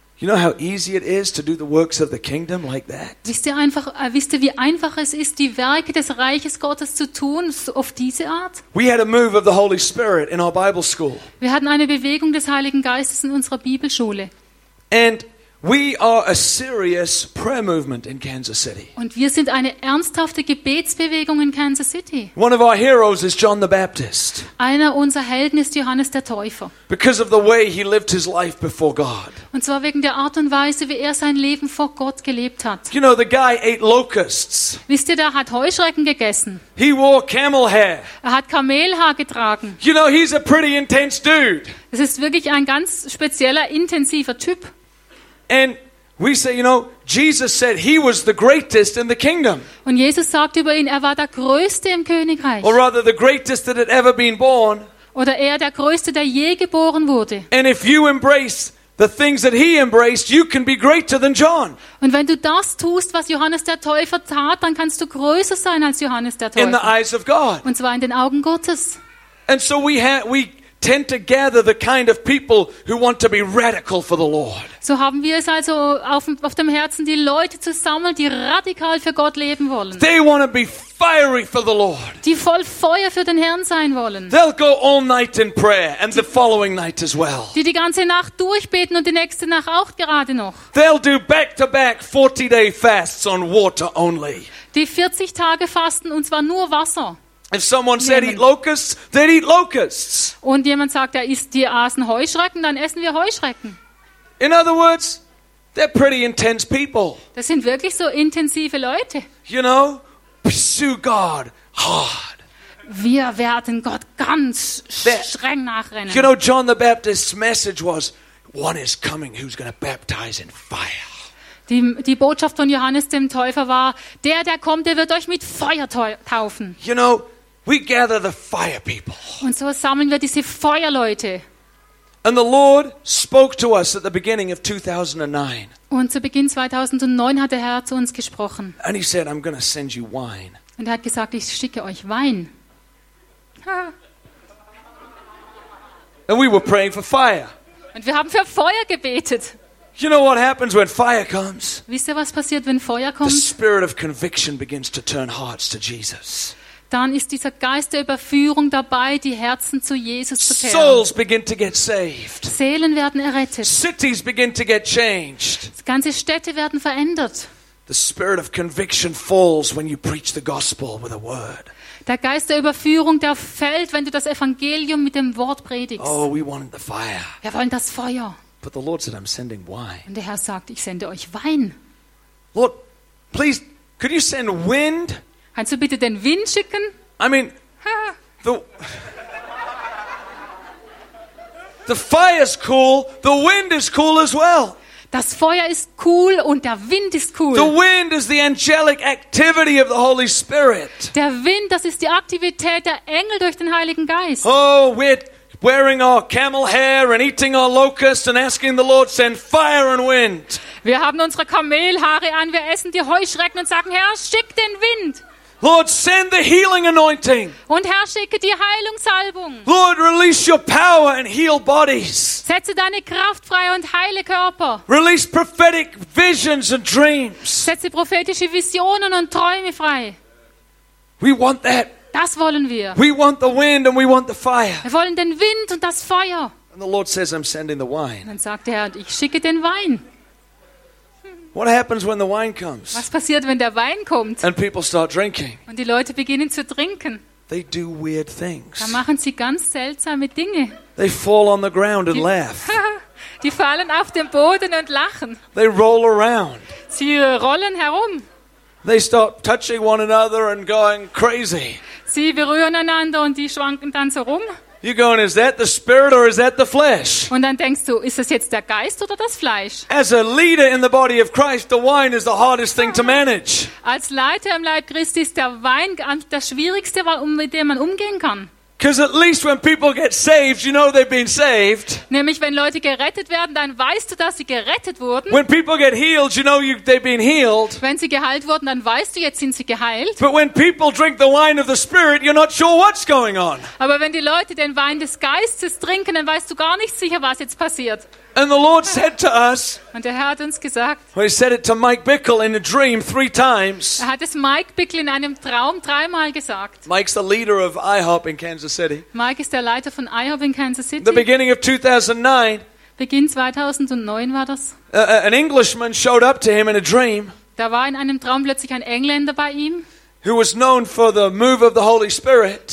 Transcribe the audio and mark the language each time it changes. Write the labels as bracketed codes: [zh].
[en] You know how easy it is to do the works of the kingdom like that? [de] Wisst ihr, wie einfach es ist, die Werke des Reiches Gottes zu tun, auf diese Art? [en] We had a move of the Holy Spirit in our Bible school. [de] Wir hatten eine Bewegung des Heiligen Geistes in unserer Bibelschule. [en] And we are a serious prayer movement in Kansas City. [de] Und wir sind eine ernsthafte Gebetsbewegung in Kansas City. [en] One of our heroes is John the Baptist. [de] Einer unserer Helden ist Johannes der Täufer. [en] Because of the way he lived his life before God. [de] Und zwar wegen der Art und Weise, wie er sein Leben vor Gott gelebt hat. [en] You know, the guy ate locusts. [de] Wisst ihr, der hat Heuschrecken gegessen. [en] He wore camel hair. [de] Er hat Kamelhaar getragen. [en] You know, he's a pretty intense dude. [de] Es ist wirklich ein ganz spezieller, intensiver Typ. [en] And we say, you know, Jesus said he was the greatest in the kingdom. [de] Und Jesus sagt über ihn, er war der Größte im Königreich. [en] Or rather, the greatest that had ever been born. [de] Oder er der Größte, der je geboren wurde. [en] And if you embrace the things that he embraced, you can be greater than John. [de] Und wenn du das tust, was Johannes der Täufer tat, dann kannst du größer sein als Johannes der Täufer. [en] In the eyes of God. [de] Und zwar in den Augen Gottes. [en] And so we tend to gather the kind of people who want to be radical for the Lord. [de] So haben wir es also auf dem Herzen, die Leute zu sammeln, die radikal für Gott leben wollen. [en] They want to be fiery for the Lord. [de] Die voll Feuer für den Herrn sein wollen. [en] They'll go all night in prayer and the following night as well. [de] Die ganze Nacht durchbeten und die nächste Nacht auch gerade noch. [en] They'll do back-to-back 40-day fasts on water only. [de] Die 40 Tage fasten und zwar nur Wasser. [en] If someone said eat locusts, they'd eat locusts. [de] Und jemand sagt, er isst die aßen Heuschrecken, dann essen wir Heuschrecken. [en] In other words, they're pretty intense people. [de] Das sind wirklich so intensive Leute. [en] You know, pursue God hard. [de] Wir werden Gott ganz streng nachrennen. [en] You know, John the Baptist's message was, one is coming who's going to baptize in fire. [de] Die Botschaft von Johannes dem Täufer war, der kommt, der wird euch mit Feuer taufen. [en] You know, we gather the fire people. [de] Und so sammeln wir diese Feuerleute. [en] And the Lord spoke to us at the beginning of 2009. [de] Und zu Beginn 2009 hat der Herr zu uns gesprochen. [en] And he said, I'm going to send you wine. [de] Und er hat gesagt, ich schicke euch Wein. [en] And we were praying for fire. [de] Und wir haben für Feuer gebetet. [en] You know what happens when fire comes? [de] Wisst ihr, was passiert, wenn Feuer kommt? [en] The spirit of conviction begins to turn hearts to Jesus. [de] Dann ist dieser Geist der Überführung dabei, die Herzen zu Jesus zu kehren. [en] Souls begin to get saved. [de] Seelen werden errettet. [en] Cities begin to get changed. [de] Ganze Städte werden verändert. [en] The spirit of conviction falls when you preach the gospel with a word. [de] Der Geist der Überführung, der fällt, wenn du das Evangelium mit dem Wort predigst. [en] Oh, we want the fire. [de] Wir wollen das Feuer. [en] But the Lord said, "I'm sending wine." [de] Und der Herr sagt, ich sende euch Wein. [en] Lord, please, could you send wind? [de] Kannst du bitte den Wind schicken? [en] I mean, the fire is cool. The wind is cool as well. [de] Das Feuer ist cool und der Wind ist cool. [en] The wind is the angelic activity of the Holy Spirit. [de] Der Wind, das ist die Aktivität der Engel durch den Heiligen Geist. [en] Oh, wearing our camel hair and eating our locusts and asking the Lord send fire and wind. [de] Wir haben unsere Kamelhaare an, wir essen die Heuschrecken und sagen, Herr, schick den Wind. [en] Lord, send the healing anointing. [de] Und Herr, schicke die Heilungssalbung. [en] Lord, release your power and heal bodies. [de] Setze deine Kraft frei und heile Körper. [en] Release prophetic visions and dreams. [de] Setze prophetische Visionen und Träume frei. [en] We want that. [de] Das wollen wir. [en] We want the wind and we want the fire. [de] Wir wollen den Wind und das Feuer. [en] And the Lord says, I'm sending the wine. [de] Dann sagt der Herr, ich schicke den Wein. [en] What happens when the wine comes? [de] Was passiert, wenn der Wein kommt? [en] And people start drinking. [de] Und die Leute beginnen zu trinken. [en] They do weird things. [de] Dann machen sie ganz seltsame Dinge. [en] They fall on the ground and laugh. [de] Die fallen auf den Boden und lachen. [en] They roll around. [de] Sie rollen herum. [en] They start touching one another and going crazy. [de] Sie berühren einander und die schwanken dann so rum. [en] You're going, is that the spirit or is that the flesh? [de] Und dann denkst du, ist das jetzt der Geist oder das Fleisch? [en] As a leader in the body of Christ, the wine is the hardest thing to manage. [de] Als Leiter im Leib Christi ist der Wein das Schwierigste, mit dem man umgehen kann. [en] Because at least when people get saved, you know they've been saved. [de] Nämlich wenn Leute gerettet werden, dann weißt du, dass sie gerettet wurden. [en] When people get healed, you know they've been healed. [de] Wenn sie geheilt wurden, dann weißt du, jetzt sind sie geheilt. [en] But when people drink the wine of the Spirit, you're not sure what's going on. [de] Aber wenn die Leute den Wein des Geistes trinken, dann weißt du gar nicht sicher, was jetzt passiert. [en] And the Lord said to us. [de] Und der Herr hat uns gesagt. [en] Well, he said it to Mike Bickle in a dream 3 times. [de] Er hat es Mike Bickle in einem Traum 3-mal gesagt. [en] Mike's the leader of IHOP in Kansas City. [de] Mike ist der Leiter von IHOP in Kansas City. [en] The beginning of 2009. [de] Beginn 2009 war das. [en] An Englishman showed up to him in a dream. [de] Da war in einem Traum plötzlich ein Engländer bei ihm. [en] Who was known for the move of the Holy Spirit.